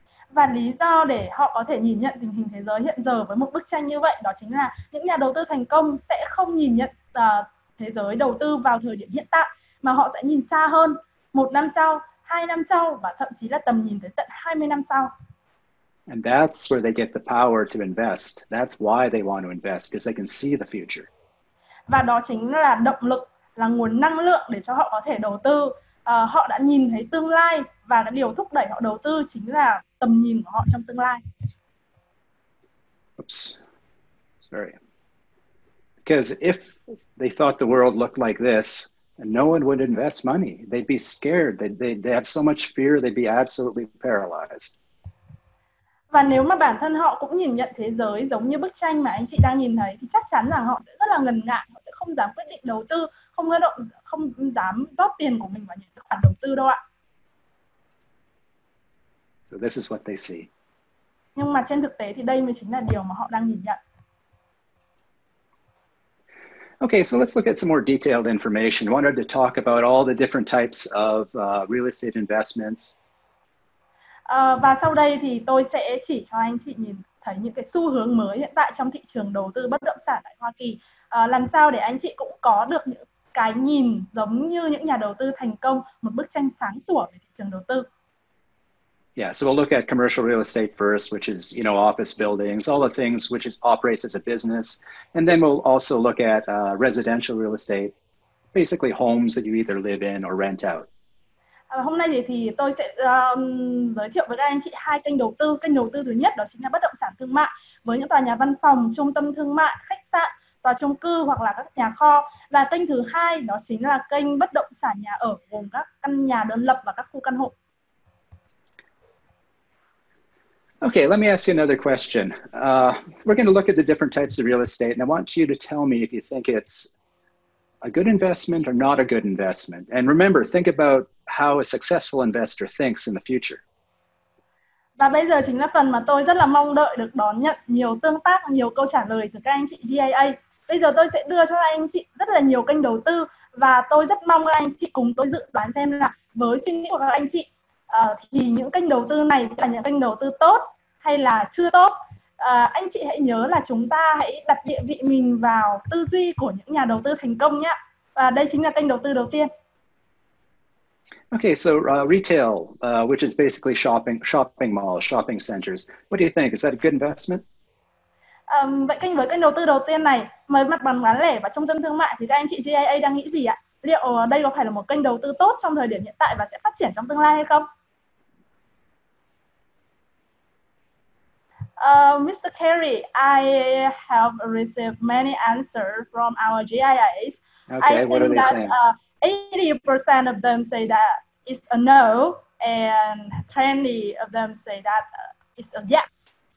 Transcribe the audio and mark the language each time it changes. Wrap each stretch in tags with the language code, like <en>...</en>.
<vi>Và lý do để họ có thể nhìn nhận tình hình thế giới hiện giờ với một bức tranh như vậy đó chính là những nhà đầu tư thành công sẽ không nhìn nhận thế giới đầu tư vào thời điểm hiện tại mà họ sẽ nhìn xa hơn, 1 năm sau, 2 năm sau và thậm chí là tầm nhìn tới tận 20 năm sau.</vi> <en>And that's where they get the power to invest. That's why they want to invest, because they can see the future.</en> <vi>Và đó chính là động lực, là nguồn năng lượng để cho họ có thể đầu tư. Họ đã nhìn thấy tương lai và cái điều thúc đẩy họ đầu tư chính là tầm nhìn của họ trong tương lai.</vi> <en>Oops. Sorry. Because if they thought the world looked like this, no one would invest money. They'd be scared. They have so much fear, they'd be absolutely paralyzed.</en> <vi>Và nếu mà bản thân họ cũng nhìn nhận thế giới giống như bức tranh mà anh chị đang nhìn thấy thì chắc chắn là họ sẽ rất là ngần ngại, họ sẽ không dám quyết định đầu tư, không dám rót tiền của mình vào những khoản đầu tư đâu ạ.</vi> <en>So this is what they see.</en> <vi>Nhưng mà trên thực tế thì đây mới chính là điều mà họ đang nhìn nhận.</vi> <en>Okay, so let's look at some more detailed information. I wanted to talk about all the different types of real estate investments.</en> <vi>Và sau đây thì tôi sẽ chỉ cho anh chị nhìn thấy những cái xu hướng mới hiện tại trong thị trường đầu tư bất động sản tại Hoa Kỳ. Làm sao để anh chị cũng có được những cái nhìn giống như những nhà đầu tư thành công, một bức tranh sáng sủa về thị trường đầu tư.</vi> <en>Yeah, so we'll look at commercial real estate first, which is, you know, office buildings, all the things which is operates as a business. And then we'll also look at residential real estate, basically homes that you either live in or rent out.</en> <vi>Hôm nay thì tôi sẽ giới thiệu với các anh chị hai kênh đầu tư. Kênh đầu tư thứ nhất đó chính là bất động sản thương mại với những tòa nhà văn phòng, trung tâm thương mại, khách sạn, tòa chung cư hoặc là các nhà kho. Và kênh thứ hai đó chính là kênh bất động sản nhà ở, gồm các căn nhà đơn lập và các khu căn hộ.</vi> <en>Okay, let me ask you another question. We're going to look at the different types of real estate, and I want you to tell me if you think it's a good investment or not a good investment. And remember, think about how a successful investor thinks in the future.</en> <vi>Và bây giờ chính là phần mà tôi rất là mong đợi được đón nhận nhiều tương tác, nhiều câu trả lời từ các anh chị GIA. Bây giờ tôi sẽ đưa cho anh chị rất là nhiều kênh đầu tư, và tôi rất mong các anh chị cùng tôi dự đoán xem là với suy nghĩ của các anh chị thì những kênh đầu tư này là những kênh đầu tư tốt hay là chưa tốt. Anh chị hãy nhớ là chúng ta hãy đặt địa vị mình vào tư duy của những nhà đầu tư thành công nhé. Và đây chính là kênh đầu tư đầu tiên.</vi> <en>Okay, so retail, which is basically shopping malls, shopping centers. What do you think? Is that a good investment?</en> <vi>Vậy kênh với kênh đầu tư đầu tiên này, mới mặt bằng bán lẻ và trung tâm thương mại, thì các anh chị GIA đang nghĩ gì ạ? Liệu đây có phải là một kênh đầu tư tốt trong thời điểm hiện tại và sẽ phát triển trong tương lai hay không?</vi> <en>Mr. Carey, I have received many answers from our GIAs. Okay, what are they saying? 80% of them say that it's a no, and 20 of them say that it's a yes.</en>